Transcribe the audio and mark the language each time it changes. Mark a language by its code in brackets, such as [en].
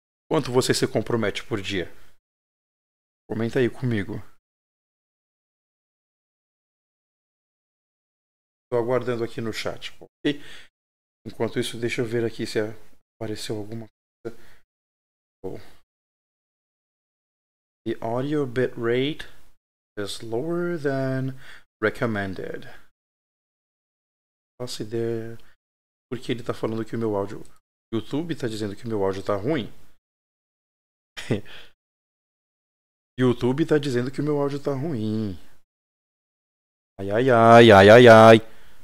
[pt] Quanto você se compromete por dia? Comenta aí comigo. Estou aguardando aqui no chat, ok? Enquanto isso, deixa eu ver aqui se apareceu alguma coisa. [en] The audio bit rate is lower than recommended. [pt] Faço ideia. Por que ele está falando que o meu áudio? O YouTube está dizendo que o meu áudio está ruim? YouTube está dizendo que o meu áudio está ruim. Ai, ai, ai, ai, ai, ai.